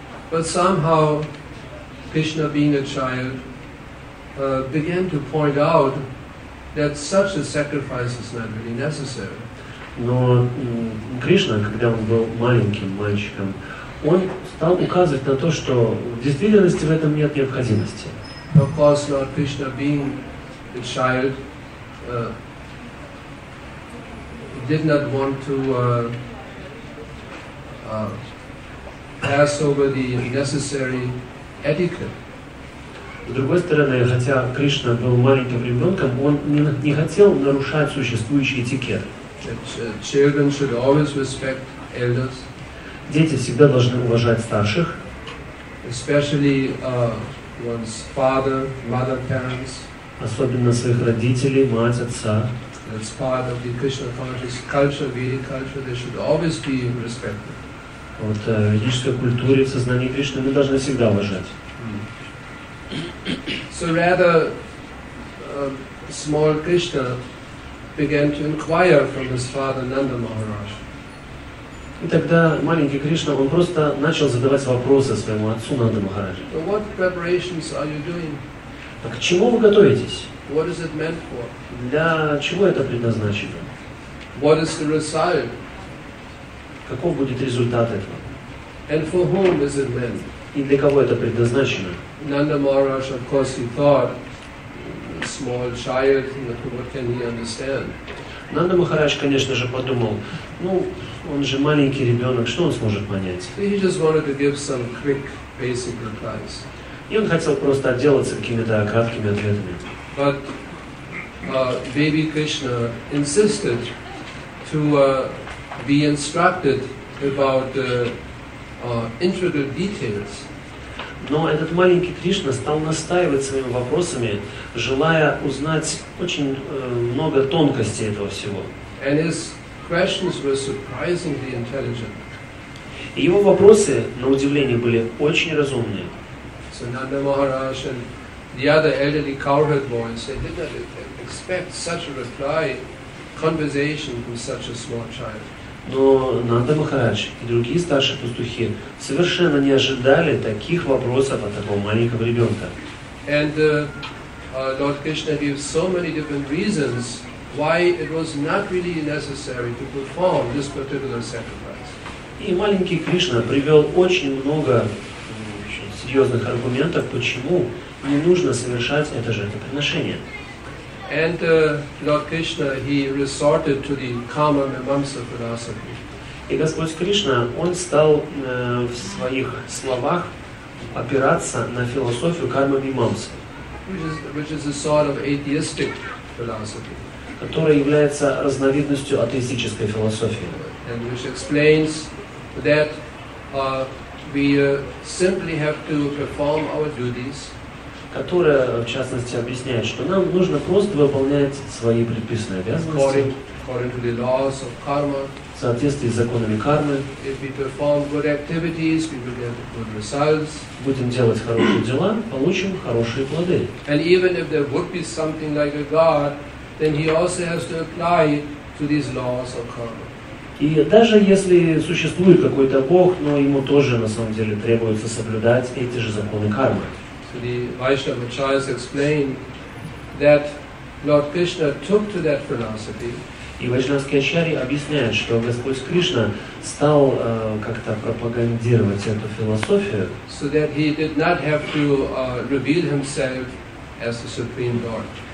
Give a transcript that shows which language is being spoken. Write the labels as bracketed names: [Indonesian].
[English] But somehow, Krishna, being a child, began to point out that such a sacrifice is not really necessary. [Russian] Но Кришна, когда он был маленьким мальчиком, он стал указывать на то, что в действительности в этом нет необходимости. [English] Of course, Lord Krishna, being a child, did not want to pass over the necessary etiquette. [Russian] С другой стороны, хотя Кришна был маленьким ребенком, он не хотел нарушать существующий этикет. [English] Children should always respect elders. [Russian] Дети всегда должны уважать старших. [English] Especially one's father, mother, parents. [Russian] Особенно своих родителей, мать, отца. [English] That's part of the Krishna conscious culture, Vedic culture. They should always be respected. [Russian] Вот ведической культуре, в сознании Кришны мы должны всегда уважать. [English] So rather, small Krishna began to inquire from his father Nanda Maharaj. [Russian] И тогда маленький Кришна, он просто начал задавать вопросы своему отцу Нанда Махараджу. [English] But what preparations are you doing? [Russian] А к чему вы готовитесь? [English] What is it meant for? [Russian] Для чего это предназначено? [English] What is the result? [Russian] Каков будет результат этого? [English] And for whom is it meant? [Russian] И для кого это предназначено? [English] Nanda Maharaj, of course, he thought, small child, what can he understand? [Russian] Нанда Махарадж, конечно же, подумал, ну, он же маленький ребенок, что он сможет понять? [English] He just wanted to give some quick, basic replies. [Russian] И он хотел просто отделаться какими-то краткими ответами. [English] But baby Krishna insisted to be instructed about the intricate details. [Russian] Но этот маленький Кришна стал настаивать своими вопросами, желая узнать очень много тонкостей этого всего. [English] And his questions were surprisingly intelligent. [Russian] И его вопросы, на удивление, были очень разумные. [English] So Nanda Maharaj and the other elderly cowherd boys, they did not expect such a reply, conversation with such a small child. [Russian] Но Нанда Махарадж и другие старшие пастухи совершенно не ожидали таких вопросов от такого маленького ребенка. [English] And Lord Krishna gave so many different reasons why it was not really necessary to perform this particular sacrifice. [Russian] И маленький Кришна привел очень много серьезных аргументов, почему не нужно совершать это жертвоприношение. [English] And Lord Krishna, he resorted to the Kama Mimamsa philosophy. [Russian] И Господь Кришна, он стал в своих словах опираться на философию Карма Мимамсы, [English] which is a sort of atheistic philosophy, [Russian] которая является разновидностью атеистической философии. [English] And which explains that we simply have to perform our duties. [Russian] Которая, в частности, объясняет, что нам нужно просто выполнять свои предписанные обязанности [English] according to the laws of karma, [Russian] в соответствии с законами кармы. [English] If we perform good activities, we will get good results. [Russian] Будем делать хорошие дела, получим хорошие плоды. [English] And even if there would be something like a God, then he also has to apply to these laws of karma. [Russian] И даже если существует какой-то Бог, но ему тоже, на самом деле, требуется соблюдать эти же законы кармы. [English] The Vaishnava Chayas explained that Lord Krishna took to that philosophy. [Russian] И Вайшнавские Ачарьи объясняют, что Господь Кришна стал как-то пропагандировать эту философию, [English] so that he did not have to reveal himself as the Supreme Lord.